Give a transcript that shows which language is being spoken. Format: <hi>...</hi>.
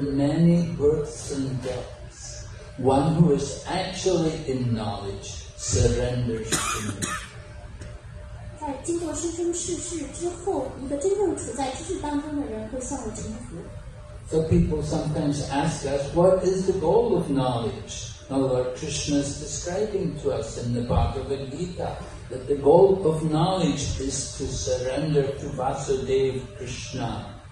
<en>many births and deaths, one who is actually in knowledge surrenders to me.</en> <zh>在经过生生世世之后，一个真正处在知识当中的人会向我臣服。</zh> <en>So people sometimes ask us, what is the goal of knowledge? Now Lord Krishna is describing to us in the Bhagavad Gita that the goal of knowledge is to surrender to Vasudeva Krishna.</en>